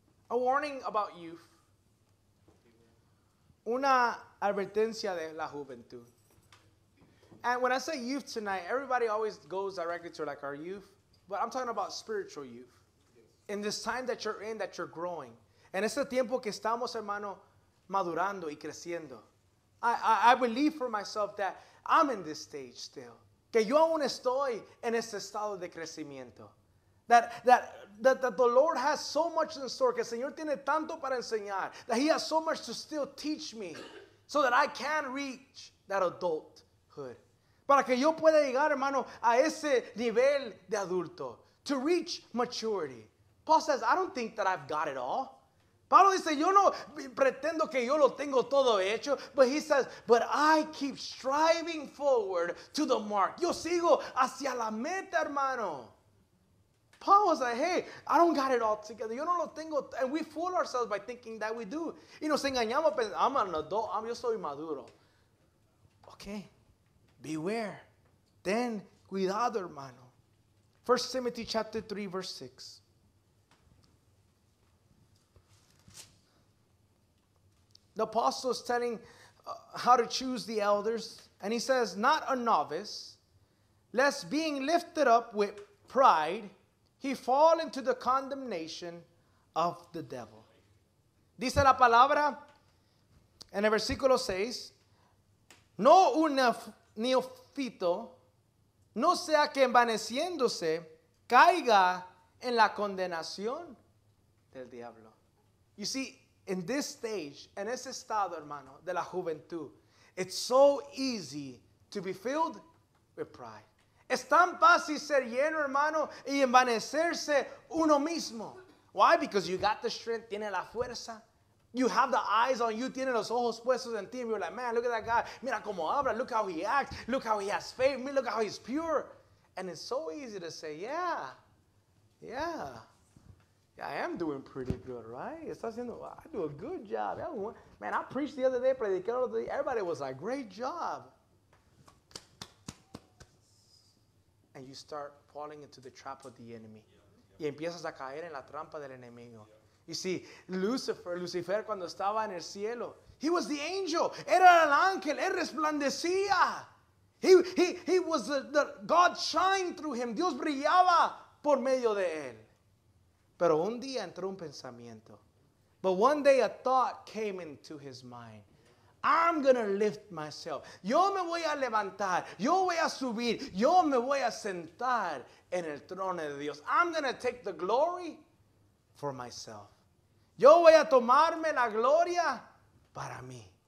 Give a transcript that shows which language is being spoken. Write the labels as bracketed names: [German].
[English] A warning about youth. [Spanish] Una advertencia de la juventud. [English] And when I say youth tonight, everybody always goes directly to like our youth. But I'm talking about spiritual youth. In this time that you're in, that you're growing. [Spanish] En este tiempo que estamos, hermano, madurando y creciendo. [English] I believe for myself that I'm in this stage still. [Spanish] Que yo aún estoy en este estado de crecimiento. [English] That the Lord has so much in store, [Spanish] que el Señor tiene tanto para enseñar, [English] that He has so much to still teach me so that I can reach that adulthood. [Spanish] Para que yo pueda llegar, hermano, a ese nivel de adulto, [English] to reach maturity. Paul says, I don't think that I've got it all. [Spanish] Pablo dice, yo no pretendo que yo lo tengo todo hecho, [English] but he says, but I keep striving forward to the mark. [Spanish] Yo sigo hacia la meta, hermano. [English] Paul was like, hey, I don't got it all together. [Spanish] Yo no lo tengo. [English] And we fool ourselves by thinking that we do. [Spanish] Y nos engañamos pensando, [English] I'm an adult. [Spanish] Yo soy maduro. [English] Okay. Beware. [Spanish] Ten cuidado, hermano. [English] 1 Timothy chapter 3, verse 6. The apostle is telling how to choose the elders. And he says, not a novice, lest being lifted up with pride, he fall into the condemnation of the devil. [Spanish] Dice la palabra en el versículo 6. No un neófito, no sea que envaneciéndose, caiga en la condenación del diablo. [English] You see, in this stage, [Spanish] en ese estado, hermano, de la juventud, [English] it's so easy to be filled with pride. [Spanish] Es tan fácil ser lleno, hermano, y envanecerse uno mismo. [English] Why? Because you got the strength, [Spanish] tiene la fuerza. [English] You have the eyes on you, [Spanish] tiene los ojos puestos en ti. [English] And you're like, man, look at that guy. [Spanish] Mira cómo habla. [English] Look how he acts. Look how he has faith. Look how he's pure. And it's so easy to say, yeah, I am doing pretty good, right? [Spanish] Está haciendo, [English] I do a good job. Man, I preached the other day. Everybody was like, great job. And you start falling into the trap of the enemy. [Spanish] Y empiezas a caer en la trampa del enemigo. [English] You see, Lucifer [Spanish] cuando estaba en el cielo, [English] he was the angel. [Spanish] Era el ángel. Él resplandecía. [English] He was the God shined through him. [Spanish] Dios brillaba por medio de él. Pero un día entró un pensamiento. [English] But one day a thought came into his mind. I'm going to lift myself. [Spanish] Yo me voy a levantar. Yo voy a subir. Yo me voy a sentar en el trono de Dios. [English] I'm going to take the glory for myself. [Spanish] Yo voy a tomarme la gloria para mí.